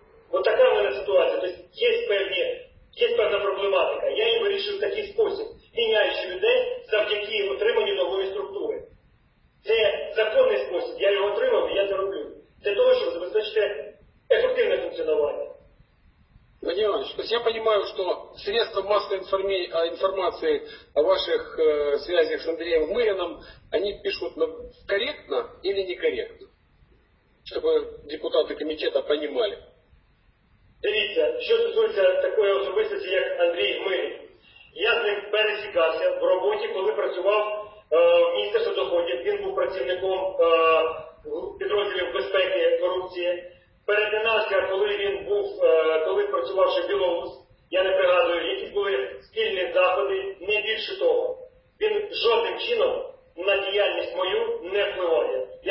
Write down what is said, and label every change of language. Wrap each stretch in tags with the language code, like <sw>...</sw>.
<uk>Отака в мене ситуація. Тобто є певна проблематика. Я її вирішую в такий спосіб, міняючи людей завдяки отриманню нової структури. Це законний спосіб, я його отримав і я це роблю. Це того, що забезпечити ефективне функціонування.</uk> <ru>Владимир Иванович, то есть я понимаю, что средства массовой информации о ваших связях с Андреем Гмылиным, они пишут корректно или некорректно? Чтобы депутаты комитета понимали.</ru> <uk>Дивіться, що стосується такої особистості, як Андрій Гмилин. Я з ним пересікався в роботі, коли працював в Міністерстві доходів. Він був працівником підрозділів безпеки корупції. Перетинався, коли працював ще Білорус, я не пригадую, які були спільні заходи, не більше того. Він жодним чином на діяльність мою не впливає.</uk>